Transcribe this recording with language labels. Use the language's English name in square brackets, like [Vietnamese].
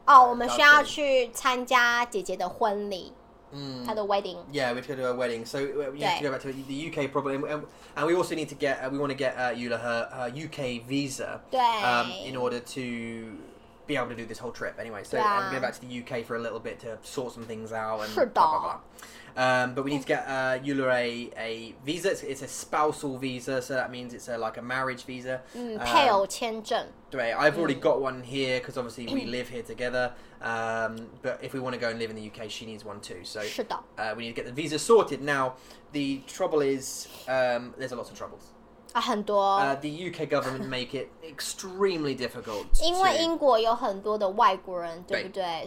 [Chinese] 我们需要去参加姐姐的婚礼。她的 wedding. [English] Yeah, we've got to do a wedding. So we have to go back to the UK probably. And we also need to get we want to get Eula her UK visa. [Chinese] 对。 [English] In order to be able to do this whole trip anyway, so I'm going back to the UK for a little bit to sort some things out and blah blah blah. But we need to get Eula a visa. It's a spousal visa, so that means it's like a marriage visa. [Chinese] 配偶签证。 [English] 对 I've already got one here because obviously we live here together. But if we want to go and live in the UK, she needs one too. So we need to get the visa sorted. Now the trouble is there's a lot of troubles. [Chinese] 很多 [English] The UK government make it extremely difficult. [Chinese] 因为英国有很多的外国人，对不对？